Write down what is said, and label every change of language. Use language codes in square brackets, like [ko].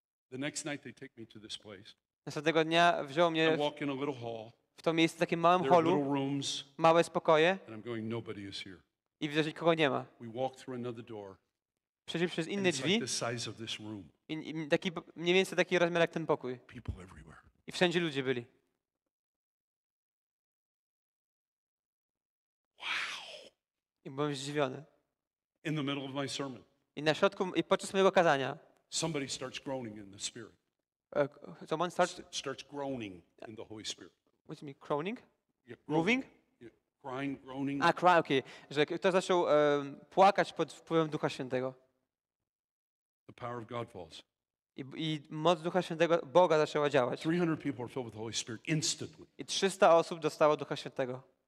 [en] The next night they take me to this place. [pl] Następnego dnia wziął mnie w to miejsce, w takim małym holu. [en] Little rooms. [pl] Małe spokoje. [en] And I'm going, nobody is here. [pl] I widzę, że nikogo nie ma. [en] We walk through another door. [pl] Przeszli przez inne drzwi. [en] It's like the size of this room. [pl] Taki, mniej więcej taki rozmiar jak ten pokój. [en] People everywhere. [pl] I wszędzie ludzie byli. I byłem zdziwiony. [en] In the middle of my sermon. [pl] I na środku, i podczas mojego kazania. [en] Somebody starts groaning in the spirit. Someone starts. Starts groaning in the Holy Spirit. What do you mean, groaning? Yeah, groaning. Moving? Yeah, crying, groaning. Cry, okay. [pl] Że ktoś zaczął płakać pod wpływem Ducha Świętego. [en] The power of God falls. [pl] I moc Ducha Świętego Boga zaczęła działać. [en] 300 people are filled with the Holy Spirit instantly. [pl] I 300 osób dostało Ducha Świętego.